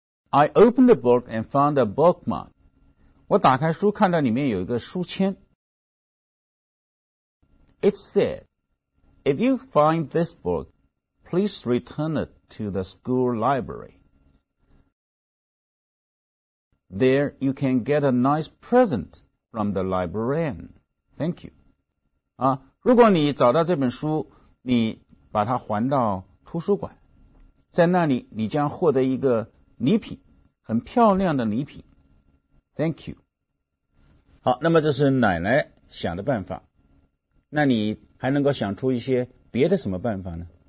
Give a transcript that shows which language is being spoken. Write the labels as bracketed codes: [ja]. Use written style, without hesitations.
[en] I opened the book and found a bookmark. [zh] 我打开书看到里面有一个书签。 [en] It said, if you find this book, please return it to the school library. There you can get a nice present from the librarian. Thank you. [zh] 啊，如果你找到这本书，你把它还到图书馆，在那里你将获得一个礼品，很漂亮的礼品。 [en] Thank you. [zh] 好，那么这是奶奶想的办法。那你还能够想出一些别的什么办法呢？